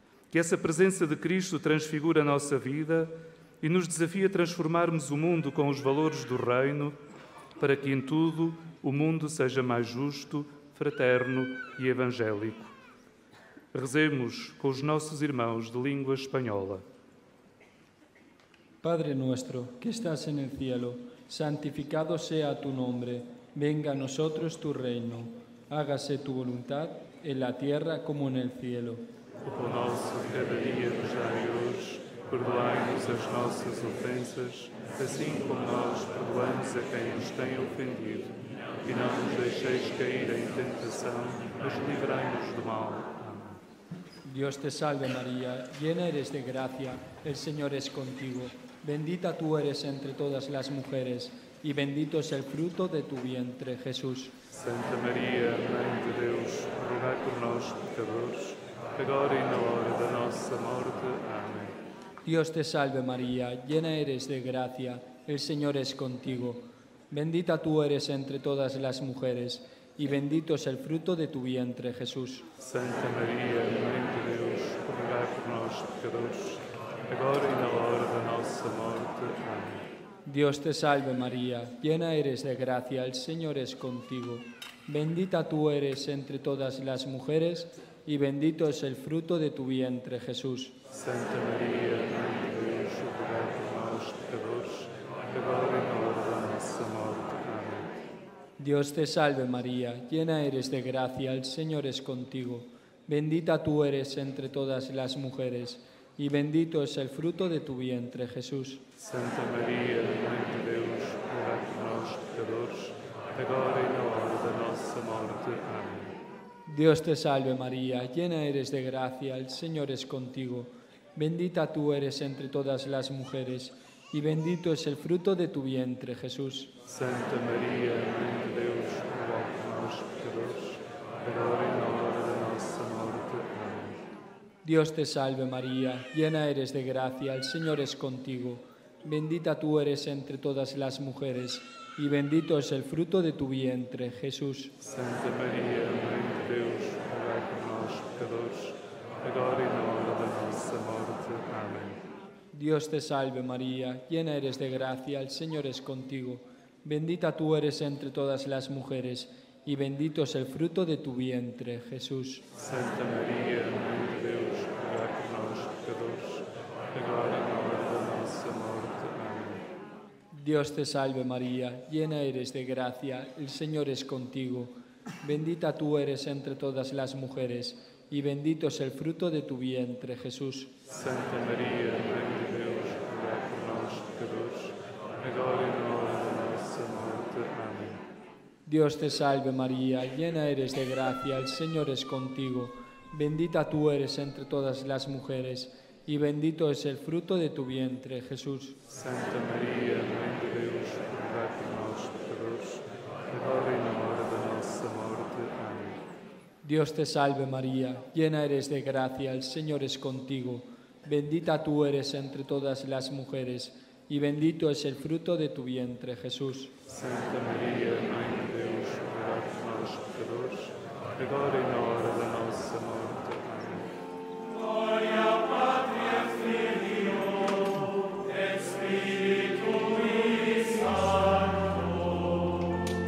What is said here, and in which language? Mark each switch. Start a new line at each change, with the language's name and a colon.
Portuguese: Que essa presença de Cristo transfigure a nossa vida e nos desafie a transformarmos o mundo com os valores do Reino, para que em tudo o mundo seja mais justo, fraterno e evangélico. Rezemos com os nossos irmãos de língua espanhola.
Spanish: Padre nuestro, que estás en el cielo, santificado sea tu nombre, venga a nosotros tu reino, hágase tu voluntad en la tierra como en el cielo.
Portuguese: O nosso cada dia nos dai hoje, perdoai-nos as nossas ofensas, assim como nós perdoamos a quem nos tem ofendido. E não nos deixeis cair em tentação, mas livrai-nos do mal.
Spanish: Dios te salve María, llena eres de gracia, el Señor es contigo. Bendita tú eres entre todas las mujeres, y bendito es el fruto de tu vientre, Jesús.
Portuguese: Santa María, Mãe de Deus, rogai por nós, pecadores, agora e na hora da nossa morte. Amém.
Spanish: Dios te salve María, llena eres de gracia, el Señor es contigo. Bendita tú eres entre todas las mujeres, y bendito es el fruto de tu vientre, Jesús.
Portuguese: Santa María, Mãe de Deus, rogai por nós, pecadores, agora e na hora da nossa morte. Amém.
Spanish: Dios te salve, María, llena eres de gracia, el Señor es contigo. Bendita tú eres entre todas las mujeres, y bendito es el fruto de tu vientre, Jesús.
Portuguese: Santa María, Mãe de Deus, rogai por nós, pecadores, agora e na hora da nossa morte.
Spanish: Dios te salve María, llena eres de gracia, el Señor es contigo. Bendita tú eres entre todas las mujeres, y bendito es el fruto de tu vientre, Jesús.
Portuguese: Santa María, Mãe de Deus, rogai por nós, pecadores, agora y na hora de nossa morte.
Spanish: Amén. Dios te salve María, llena eres de gracia, el Señor es contigo. Bendita tú eres entre todas las mujeres, y bendito es el fruto de tu vientre, Jesús.
Portuguese: Santa María, Mãe de Deus, rogai por nós, pecadores, agora e na hora da nossa morte. Amém.
Spanish: Dios te salve, María, llena eres de gracia, el Señor es contigo. Bendita tú eres entre todas las mujeres, y bendito es el fruto de tu vientre, Jesús.
Portuguese: Santa María, Mãe de Deus, rogai por nós, pecadores, agora e na hora da nossa morte. Amém.
Spanish: Dios te salve, María, llena eres de gracia, el Señor es contigo. Bendita tú eres entre todas las mujeres, y bendito es el fruto de tu vientre, Jesús.
Portuguese: Santa María, Mãe de Deus, rogai por nós, pecadores, agora e na hora da nossa morte. Amém.
Spanish: Dios te salve, María, llena eres de gracia, el Señor es contigo. Bendita tú eres entre todas las mujeres, y bendito es el fruto de tu vientre, Jesús.
Portuguese: Santa María, Mãe de Deus, rogai por nós, pecadores, agora e na hora da nossa morte. Amém.
Spanish: Dios te salve, María, llena eres de gracia, el Señor es contigo. Bendita tú eres entre todas las mujeres, y bendito es el fruto de tu vientre, Jesús.
Portuguese: Santa María, Mãe de Deus, rogai por nós, pecadores, agora e na hora da nossa morte. Amém.
Spanish: Dios te salve, María, llena eres de gracia, el Señor es contigo. Bendita tú eres entre todas las mujeres, y bendito es el fruto de tu vientre, Jesús.
Portuguese: Santa María, Mãe de Deus, rogai por nós, pecadores, agora e na hora da nossa morte. Amém. Glória ao Pai, Filho, Espírito e Santo.